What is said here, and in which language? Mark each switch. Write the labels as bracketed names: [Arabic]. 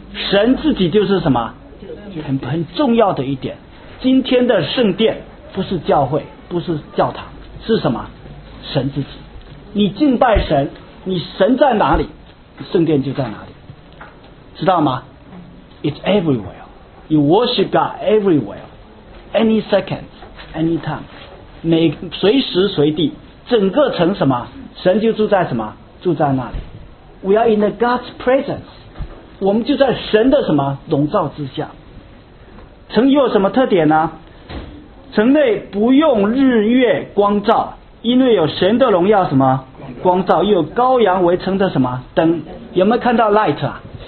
[Chinese] 神自己就是什么 temple， 很重要的一点。今天的圣殿不是教会，不是教堂，是什么？神自己。你敬拜神，你神在哪里，圣殿就在哪里，知道吗？ [English] It's everywhere. You worship God everywhere. Any second, any time. [Chinese] 每随时随地，整个城什么？神就住在什么？住在那里。 [English] We are in the God's presence. [Chinese] 我们就在神的什么笼罩之下。城有什么特点呢？城内不用日月光照，因为有神的荣耀什么光照，又有羔羊为城的什么灯。有没有看到 light 啊？